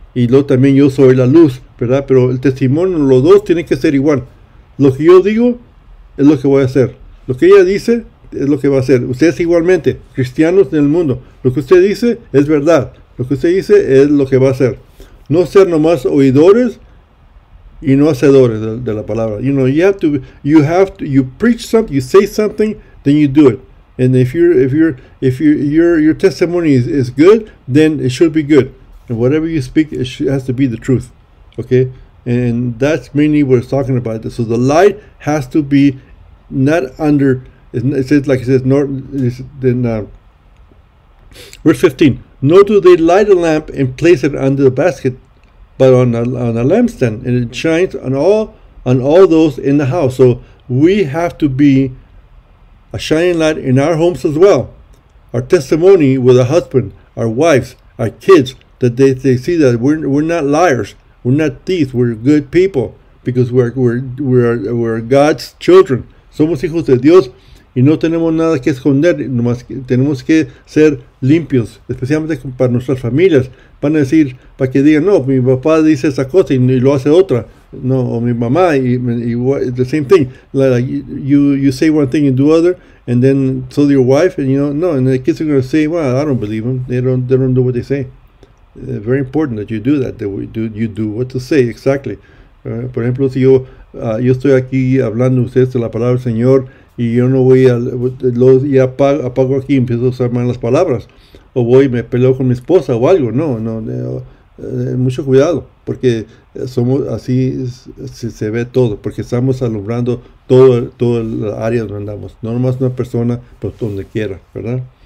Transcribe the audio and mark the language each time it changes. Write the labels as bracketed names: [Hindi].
[Spanish] Y luego también yo soy la luz, ¿verdad? Pero el testimonio, los dos tienen que ser igual. Lo que yo digo es lo que voy a hacer. Lo que ella dice es lo que va a hacer. Ustedes igualmente, cristianos en el mundo. Lo que usted dice es verdad. Lo que usted dice es lo que va a hacer. No ser nomás oidores y no hacedores de la palabra. [English] You know, you preach something, you say something, then you do it. And if your testimony is good, then it should be good. And whatever you speak, it has to be the truth. Okay? And that's mainly what it's talking about. So the light has to be not under, it says, like it says, nor, then, verse 15, nor do they light a lamp and place it under the basket, but on a lampstand, and it shines on all those in the house. So we have to be a shining light in our homes as well. Our testimony with a husband, our wives, our kids, that they see that we're not liars, we're not thieves, we're good people, because we're God's children. [Spanish] Somos hijos de Dios y no tenemos nada que esconder, nomás tenemos que ser limpios, especialmente para nuestras familias. Van a decir, para que digan, no, mi papá dice esa cosa y lo hace otra. No, o mi mamá, y [English] the same thing. Like, you say one thing and do other, and then so do your wife, and you know, no, and the kids are going to say, well, I don't believe them. They don't know what they say. Very important that you do that, that you do what to say, exactly. [Spanish] Por ejemplo, si yo estoy aquí hablando a ustedes de la palabra del Señor y yo no voy a, lo, y apago aquí y empiezo a usar malas palabras, o voy y me peleo con mi esposa o algo, no, mucho cuidado, porque somos así, se ve todo, porque estamos alumbrando todo el área donde andamos, no nomás una persona, pues donde quiera, ¿verdad?